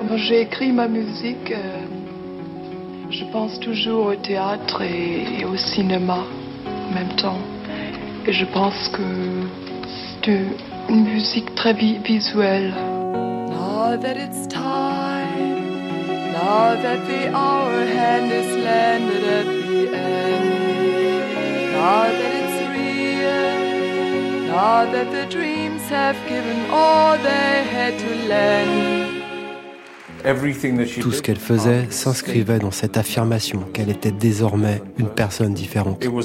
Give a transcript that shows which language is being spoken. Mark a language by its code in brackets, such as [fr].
[fr] J'ai écrit ma musique, je pense toujours au théâtre et au cinéma en même temps. Et je pense que c'est une musique très visuelle. [en] Now that it's time, now that the hour hand is landed at the end. Now that it's real, now that the dreams have given all they had to lend. [fr] Tout ce qu'elle faisait s'inscrivait dans cette affirmation qu'elle était désormais une personne différente.